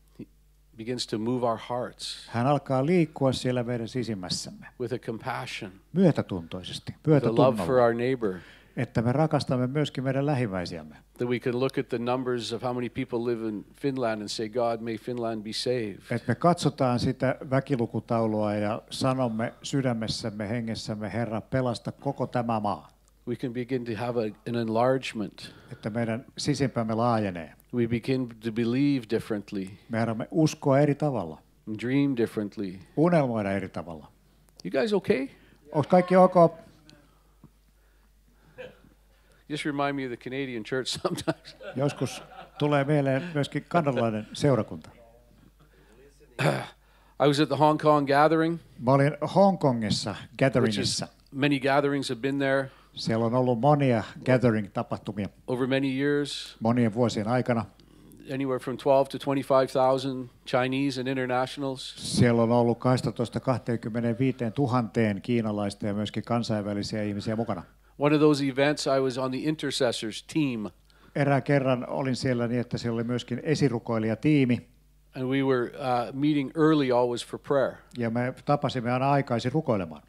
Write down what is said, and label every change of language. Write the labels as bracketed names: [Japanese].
[English] He begins to move our hearts. [Finnish] Hän alkaa liikkua siellä meidän sisimmässämme. [English] With a compassion. [Finnish] Myötätuntoisesti. Myötätunnolla. [English] With a love for our neighbor. [Finnish] Että me rakastamme myöskin meidän lähimmäisiämme. [English] That we can look at the numbers of how many people live in Finland and say, God, may Finland be saved. [Finnish] Että me katsotaan sitä väkilukutaulua ja sanomme sydämessämme, hengessämme, Herra, pelasta koko tämä maa. [English] We can begin to have an enlargement. [Finnish] Että meidän sisimpämme laajenee. [English] We begin to believe differently. [Finnish] Me alamme uskoa eri tavalla. [English] Dream differently. [Finnish] Unelmoida eri tavalla. [English] You guys okay? [Finnish] Onko kaikki ok? [English] Just remind me of the Canadian church sometimes. [Finnish] Joskus tulee mieleen myöskin kanadalainen seurakunta. [English] I was at the Hong Kong gathering. [Finnish] Mä olin Hong Kongissa gatheringissa. [English] Many gatherings have been there. [Finnish] Siellä on ollut monia gathering-tapahtumia. [English] Over many years. [Finnish] Monien vuosien aikana. [English] Anywhere from 12,000 to 25,000 Chinese and internationals. [Finnish] Siellä on ollut 12,000 to 25,000 kiinalaista ja myöskin kansainvälisiä ihmisiä mukana. [English] One of those events, I was on the intercessors team. [Finnish] Erään kerran olin siellä niin, että siellä oli myöskin esirukoilijatiimi. [English] And we were meeting early always for prayer. [Finnish] Ja me tapasimme aina aikaisin rukoilemaan.